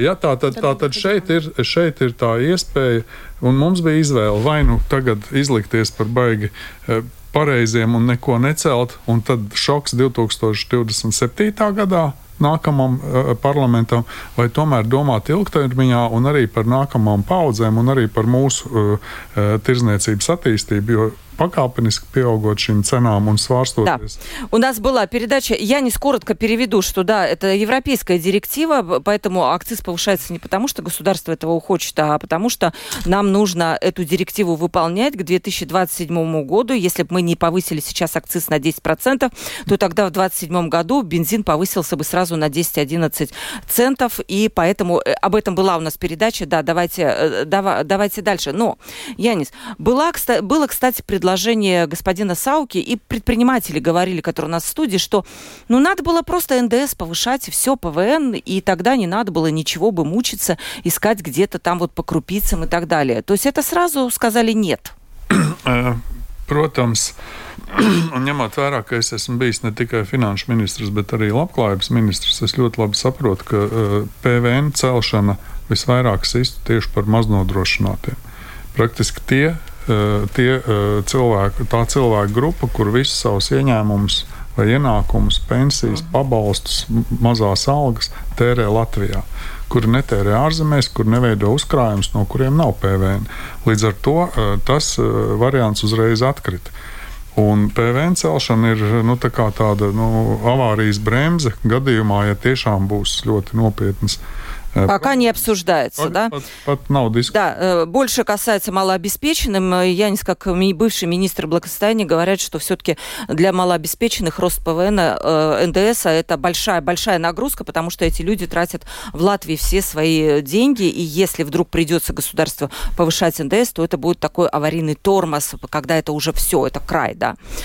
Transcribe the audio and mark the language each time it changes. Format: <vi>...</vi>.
<lv>Ja, tā tad šeit ir tā iespēja, un mums bija izvēle, vai nu tagad izlikties par baigi pareiziem un neko necelt, un tad šoks 2027. Gadā nākamam parlamentam, vai tomēr domāt ilgtermiņā un arī par nākamām paudzēm un arī par mūsu tirdzniecības attīstību, jo покапаниски пиогот шим ценам он сварствует.</lv> <ru>Да. У нас была передача, я не коротко переведу, что да, это европейская директива, поэтому акциз повышается не потому, что государство этого хочет, а потому что нам нужно эту директиву выполнять к 2027 году. Если бы мы не повысили сейчас акциз на 10%, то тогда в 2027 году бензин повысился бы сразу на 10-11 центов, и поэтому об этом была у нас передача. Да, давайте дальше. Но, Янис, было, кстати, предложение господина Сауки, и предприниматели говорили, которые у нас в студии, что ну надо было просто НДС повышать, и все, ПВН, и тогда не надо было ничего бы мучиться, искать где-то там вот по крупицам и так далее. То есть это сразу сказали нет.</ru> <lv>Protams, ņemot vērā, ka es esmu bijis ne tikai finanšu ministrs, bet arī labklājības ministrs, es ļoti labi saprotu, ka PVN celšana visvairāk sistu tieši par maznodrošinātiem. Praktiski tā cilvēka grupa, kur visu savus ieņēmumus vai ienākumus, pensijas, pabalstus, mazās algas tērē Latvijā, kur netērē ārzemēs, kur neveido uzkrājumus, no kuriem nav PVN. Līdz ar to tas variants uzreiz atkrit. Un PVN celšana ir nu, tā kā tāda nu, avārijas bremze gadījumā, ja tiešām būs ļoti nopietnas</lv> <ru>Пока не обсуждается, да? Под да, больше касается малообеспеченным. Янис, как бывший министр благосостояния, говорят, что все-таки для малообеспеченных рост ПВН НДС это большая-большая нагрузка, потому что эти люди тратят в Латвии все свои деньги, и если вдруг придется государству повышать НДС, то это будет такой аварийный тормоз, когда это уже все, это край, да.</ru>